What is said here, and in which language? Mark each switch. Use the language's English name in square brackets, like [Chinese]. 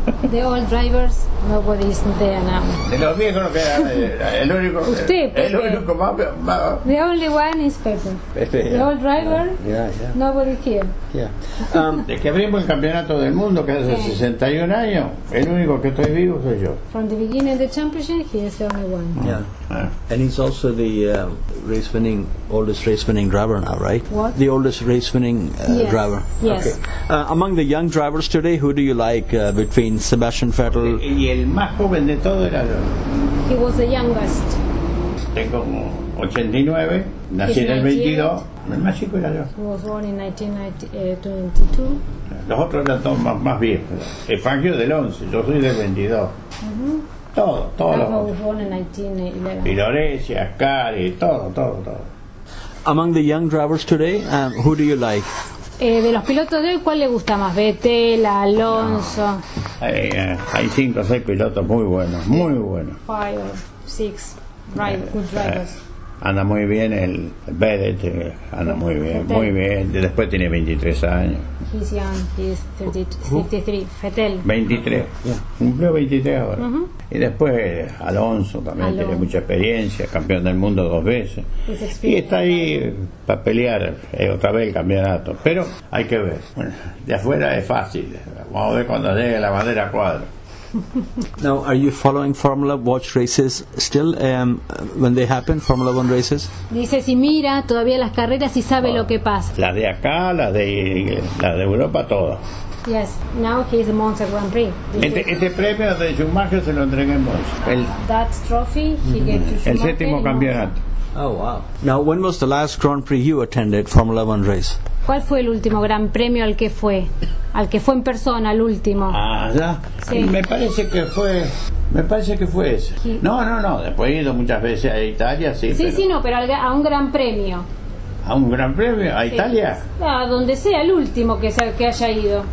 [English] The old drivers, nobody is there now. [Spanish] De los viejos no queda el único. Usted, Pepe. El único más. [English] The only one is Pepe. Pepe, yeah. The old driver, yeah. Nobody here. Yeah. [Spanish] De que abrimos el campeonato del mundo, que hace 61 años, el único que estoy vivo soy yo. [English] From the beginning of the championship, he is the only one. Yeah. And he's also the oldest race winning driver now, right? What? The oldest race winning yes, driver. Yes. Okay. Among the young drivers today, who do you like between Sebastian Vettel? [Spanish] Y el más joven de todo era yo. [English] He was the youngest. [Spanish] Tengo 89, nací en el 22. El más chico era yo. [English] He was born in 1922. [Spanish] Los otros eran todos más viejos. El Fangio del 11, yo soy del 22. Mm-hmm. Todos los [English] otros. I was born in 1911. [Spanish] Y Lorenzi, Ascari, todo. [English] Among the young drivers today, who do you like? [Spanish] De los pilotos de hoy, ¿cuál le gusta más? Vettel, Alonso. Hay 5 o 6 pilotos muy buenos, muy buenos. [English] 5 o 6 good drivers. [Spanish] Anda muy bien el Bennett, anda muy bien, Vettel. Muy bien. Después tiene 23 años. [English] He's young, he's 53. Vettel. [Spanish] 23, yeah. Cumplió 23 ahora. Uh-huh. Y después Alonso también tiene mucha experiencia, campeón del mundo 2 veces. Y está ahí para pelear otra vez el campeonato. Pero hay que ver. Bueno, de afuera es fácil. Vamos a ver cuando llegue la madera cuadra. [English] Now, are you following Formula Watch races still when they happen, Formula One races? [Spanish] Dice si mira todavía las carreras y sabe lo que pasa. La de acá, la de Europa, todas. [English] Yes, now he is the Monza Grand Prix. [Spanish] Este premio de Schumacher se lo entregué en Monza. [English] That trophy he gave to Schumacher. [Spanish] El séptimo campeonato. [English] Oh, wow. Now, when was the last Grand Prix you attended, Formula One race? [Spanish] ¿Cuál fue el último gran premio al que fue? Al que fue en persona, el último. Ah, ya. Sí. Me parece que fue ese. No. Después he ido muchas veces a Italia, sí. Sí, pero... sí, no, pero a un gran premio. ¿A un gran premio? ¿A Italia? A donde sea, el último que haya ido.